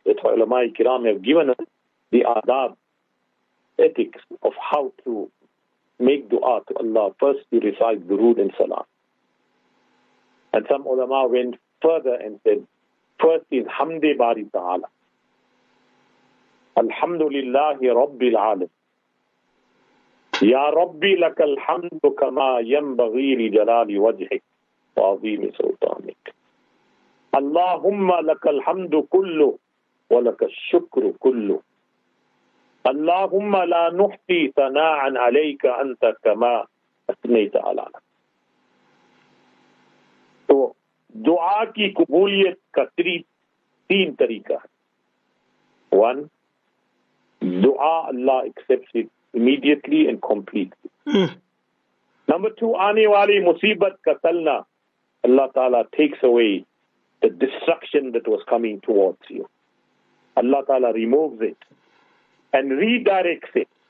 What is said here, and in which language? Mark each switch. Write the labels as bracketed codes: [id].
[en] That's why ulama-i kiram have given us the adab, ethics of how to make dua to Allah. First we recite durood and salam. And some ulama went further and said, first is hamd-e bari ta'ala. [ar] الحمد لله رب العالم يا ربي لك الحمد كما ينبغي لجلال وجهك وعظيم سلطانك اللهم لك الحمد كله ولك الشكر كله اللهم لا نحصي ثناء عليك أنت كما أثنيت على نفسك. So [ur] دعا کی قبولیت کا تین طریقہ ہے. [en] One, دعا اللہ accepts it immediately and completely. Number two, [ur] آنے والی مصیبت کا تلنا, [en] اللہ تعالیٰ takes away the destruction that was coming towards you. Allah Ta'ala removes it and redirects it.